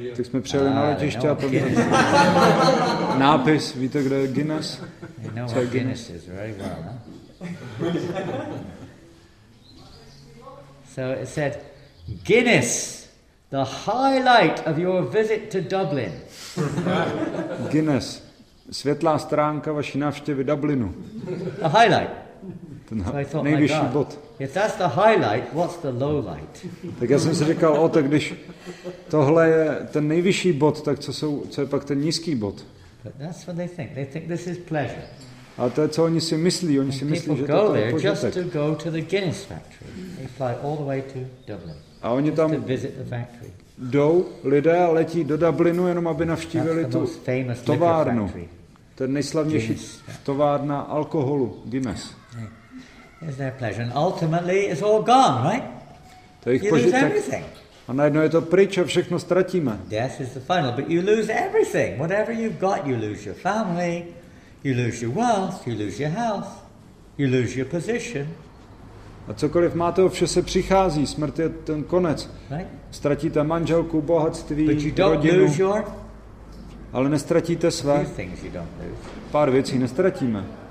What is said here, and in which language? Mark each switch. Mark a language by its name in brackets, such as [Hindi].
[Czech] Tak jsme přijeli na letiště a tam byl nápis. Víte, kde je Guinness? [English] You know what Guinness is very well, huh? So it said, Guinness, the highlight of your visit to Dublin. [Czech] Guinness, světlá stránka vaší návštěvy Dublinu. [English] The highlight. [Czech] Ten nejvyšší bod. [English] If that's the highlight, what's the low light? [Czech] Tak já jsem si říkal, o tak když tohle je ten nejvyšší bod, tak co je pak ten nízký bod? [English] But that's what they think. They think this is pleasure. [Czech] A to je, co oni si myslí. Oni si myslí, že to je požitek. [English] People go there just to go to the Guinness factory. They fly all the way to Dublin. [Czech] A oni tam jdou, lidé letí do Dublinu, jenom aby navštívili tu továrnu. To je nejslavnější továrna alkoholu, Guinness. [English] Is their pleasure. And ultimately it's all gone, right? [Czech] To je jich požitek. A najednou je to pryč a všechno ztratíme. [English] Death is the final, but you lose everything. Whatever you've got, you lose your family, you lose your wealth, you lose your health, you lose your position. [Czech] A cokoliv máte, vše se přichází. Smrt je ten konec. Ztratíte manželku, bohatství, rodinu. Ale nestratíte své. Pár věcí nestratíme.